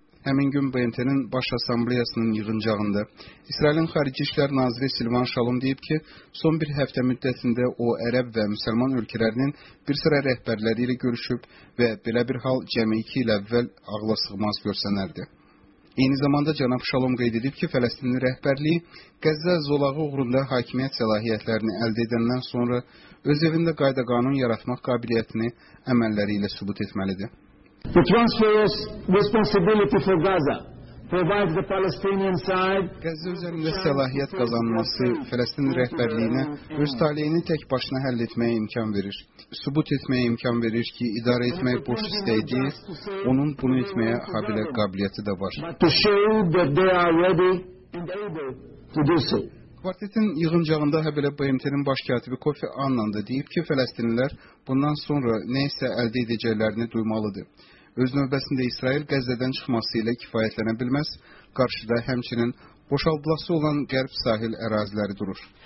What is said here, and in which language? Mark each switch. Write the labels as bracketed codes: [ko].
[az] Həmin gün BMT-nin Baş Assambleyasının yığıncağında İsrailin Xarici İşlər Naziri Silvan Şalom deyib ki, son bir həftə müddətində o, ərəb və müsəlman ölkələrinin bir sıra rəhbərləri ilə görüşüb və belə bir hal cəmi 2 il əvvəl ağla sığmaz görsənərdi. Eyni zamanda Cənab Şalom qeyd edib ki, Fələstinin rəhbərliyi Qəzza zolağı uğrunda hakimiyyət səlahiyyətlərini əldə edəndən sonra öz evində qayda qanun yaratmaq qabiliyyətini əməlləri ilə sübut etməlidir. [en] The transfer of responsibility for Gaza provides the Palestinian side. [az] Qəzza üzərində səlahiyyət qazanması Fələstin rəhbərliyinə öz taleyini tək başına həll etməyə imkan verir. Sübut etməyə imkan verir ki, idarə etməyə boş istəyir, onun bunu etməyə habilə qabiliyyəti də var. [en] To show that they are ready and able to do so. [az] Kvartetin yığıncağında həbələ BMT-nin baş katibi Kofi Annan da deyib ki, Fələstinlilər bundan sonra nə isə əldə edəcəklərini duymalıdır. Öz növbəsində İsrail Qəzzədən çıxması ilə kifayətlənə bilməz, qarşıda həmçinin boşaldılası olan qərb sahil əraziləri durur.